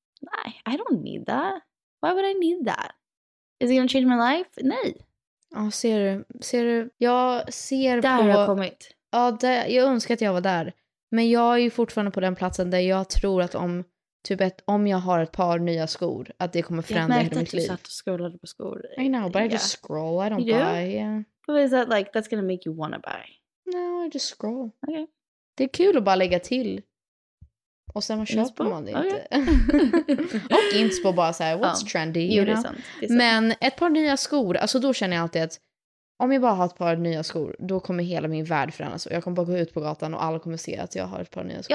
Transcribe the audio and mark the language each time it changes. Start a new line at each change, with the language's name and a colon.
English: Nej, I don't need that. Why would I need that? Is it gonna change my life? Nej.
Swedish: Ja, ser du? Jag ser där på... Där har jag kommit. Ja, där, jag önskar att jag var där. Men jag är ju fortfarande på den platsen där jag tror att om typ om jag har ett par nya skor, att det kommer förändra hela mitt liv. Jag märkte att du satt och scrollade på skor.
English: I know, but yeah. I just scroll. I don't buy. Yeah. But is that like, that's gonna make you wanna buy? No, I just scroll. Okay.
Swedish: Det är kul att bara lägga till. Och sen man köper man det inte. Okay. Och inspo bara så här,
English: what's trendy?
Swedish: Jo, det är sant. Men ett par nya skor, alltså då känner jag alltid att om jag bara har ett par nya skor, då kommer hela min värld förändras. Och jag kommer bara gå ut på gatan och alla kommer se att jag har ett par nya skor.